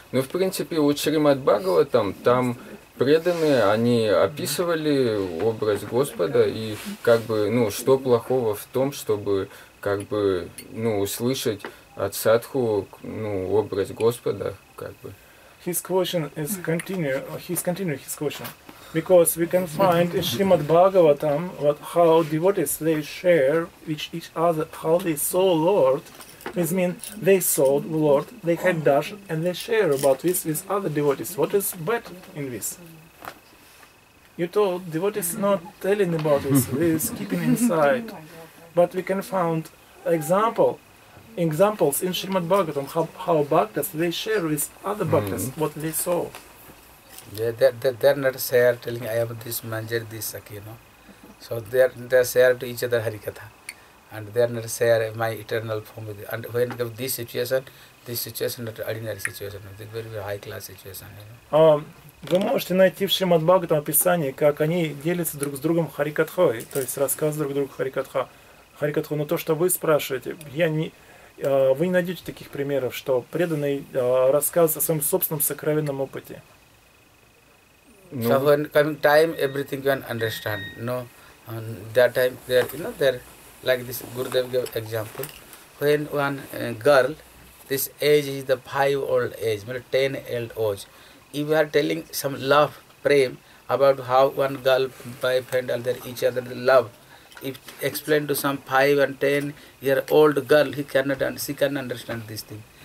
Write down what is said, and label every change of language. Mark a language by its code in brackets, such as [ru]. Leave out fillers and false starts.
[ru] Но, в принципе, вот Шримад Бхагава там преданные, они описывали образ Господа, и как бы, ну, что плохого в том, чтобы как бы, ну, услышать от садху, ну, образ Господа, как бы. [en] His question is continue his question. Because we can find in Srimad Bhagavatam what how devotees they share with each other how they saw Lord. This means they saw the Lord, they had darshan, and they share about this with other devotees. What is bad in this? You told devotees not telling about this, this keeping inside. But we can find examples in Srimad Bhagavatam how bhaktas they share with other bhaktas what they saw. Yeah, they're not share telling I am this manjari, this sakhi, no? So they share to each other harikatha. And they are not share my eternal form with you. And when this situation not ordinary situation, it's very, very high class situation, you know. [ru] Вы можете найти в Шримад Бхагаватам описание, как они делятся друг с другом харикатхой, то есть рассказывают друг другу харикатху. Но то, что вы спрашиваете, вы не найдете таких примеров, что преданный рассказывает о своем собственном сокровенном опыте. [en] So when coming time, everything you can understand. No, that time there, you know, there like this Gurudev gave example. When one girl, this age is the 5-year-old age, maybe 10-year-old age. If you are telling some love, prem about how one girl, boyfriend, and their each other love, if explain to some 5 and 10-year-old girl, she can understand this thing.